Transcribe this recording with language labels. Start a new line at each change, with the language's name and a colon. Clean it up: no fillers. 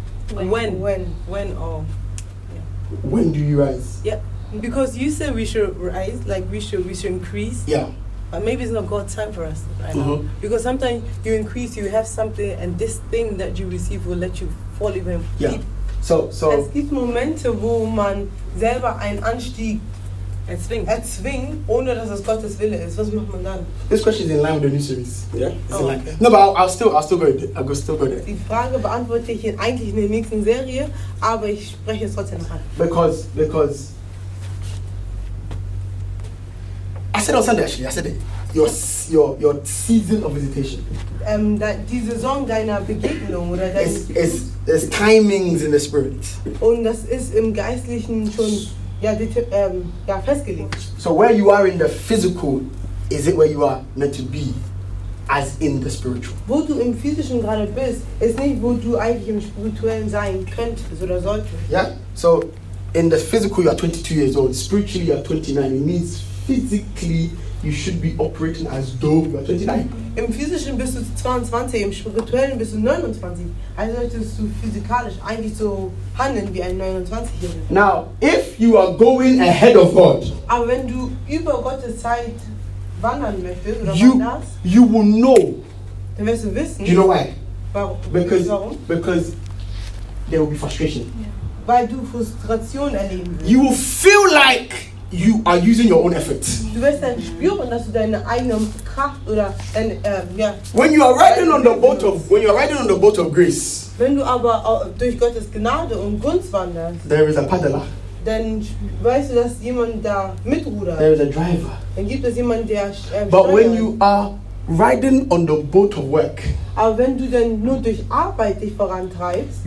English: when do you rise? Yeah. Because you say we should rise, like we should increase. Yeah. But maybe it's not God's time for us right mm-hmm. now. Because sometimes you increase, you have something, and this thing that you receive will let you fall even. Yeah. So.
German: Es gibt Momente, wo man selber einen Anstieg erzwingt, ohne dass es Gottes Wille ist. Was macht man dann?
English: This question is in line with the new series. Yeah. Oh, okay. No, but I'll still go there.
German: Die Frage beantworte ich eigentlich in der nächsten Serie, aber ich spreche es trotzdem an.
English: Because. I said on Sunday actually, I said it. Your season of visitation.
German: That die Saison deiner Begegnung oder
English: dein. It's timings in the spirit.
German: Und das ist im Geistlichen schon ja festgelegt.
English: So where you are in the physical, is it where you are meant to be, as in the spiritual?
German: Wo du im physischen gerade bist, ist nicht wo du eigentlich im spirituellen sein könntest oder solltest.
English: Yeah. So in the physical you are 22 years old. Spiritually you are 29. It means physically, you should be operating as though you are 29.
German: Im physischen bist du 22, im spirituellen bist du 29. Also solltest du physikalisch eigentlich so handeln wie ein 29-Jähriger.
English: Now, if you are going ahead of God,
German: aber wenn du über Gottes Zeit wandern möchtest oder
English: wanderst, you will know.
German: Dann wirst du wissen.
English: Do you know why?
German: Warum?
English: Because there will be frustration.
German: Yeah. Weil du Frustration erleben wirst.
English: You will feel like you are using your own effort.
German: Du wirst dann spüren, dass du deine eigene Kraft oder
English: when you are riding on the boat of grace.
German: Wenn du aber durch Gottes Gnade und Gunst wanderst.
English: There is a paddler.
German: Dann weißt du, dass jemand da mitrudert.
English: There is a driver.
German: Dann gibt es jemand, der
English: but when you are riding on the boat of work.
German: Aber wenn du dann nur durch Arbeit dich vorantreibst.